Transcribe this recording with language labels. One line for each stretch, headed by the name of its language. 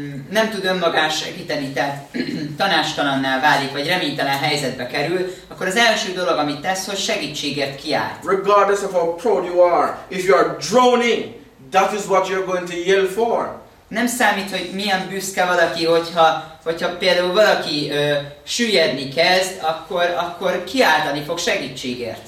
Hungarian: nem tud önmagán segíteni, tehát tanástalanná válik, vagy reménytelen helyzetbe kerül, akkor az első dolog, amit tesz, hogy segítségért kiált.
English: Regardless of how proud you are, if you are droning, that is what you're going to yell for.
Hungarian: Nem számít, hogy milyen büszke valaki, hogyha például valaki süllyedni kezd, akkor kiáltani fog segítségért.